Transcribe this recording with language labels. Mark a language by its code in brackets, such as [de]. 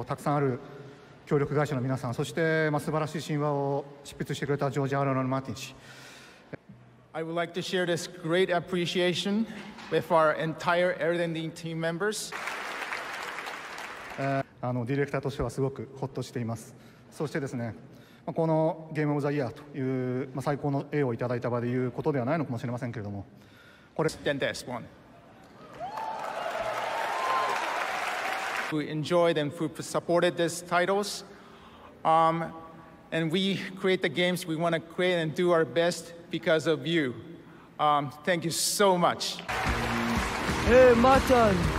[en] I would like to share this great appreciation with our entire Elden Ring team members. [ja] ディレクターとしてはすごくホッとしています。そしてですね、このゲームオブザイヤーという最高の栄誉をいただいた場でいうことではないのかもしれませんけれども、これ。 [en] We enjoyed and we supported these titles. And we create the games we want to create and do our best because of you. Thank you so much. Hey, Madsen.